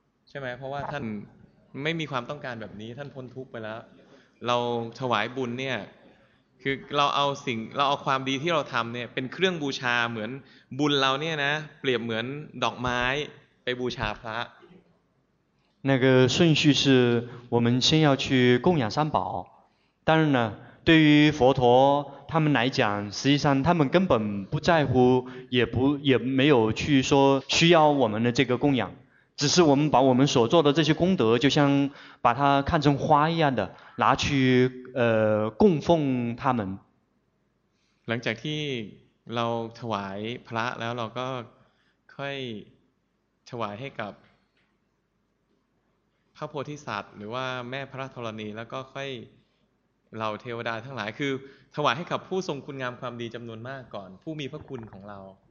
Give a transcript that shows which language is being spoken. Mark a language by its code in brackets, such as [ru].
[th] ช่ไหมเพราะว่าท่านไม่มีความต้องการแบบนี้ท่านพ้นทุกข์ไปแล้วเราถวายบุญเนี่ยคือเราเอาสิ่งเราเอาความดีที่เราทำเนี่ยเป็นเครื่องบูชาเหมือนบุญเราเนี่ยนะเปรียบเหมือนดอกไม้ไปบูชาพระ [zh] 那个顺序是我们先要去供养三宝当然呢对于佛陀他们来讲实际上他们根本不在乎也没有去说需要我们的这个供养只是我们把我们所做的这些功德就像把它看成花一样的拿去供奉他们 [th] หลังจากที่เราถวายพระแล้วเราก็ค่อยถวายให้กับพระโพธิสัตว์หรือว่าแม่พระธรณีแล้วก็ค่อยเราเทวดาทั้งหลายคือถวายให้กับผู้ทรงคุณงามความดีจำนวนมากก่อนผู้มีพระคุณของเรา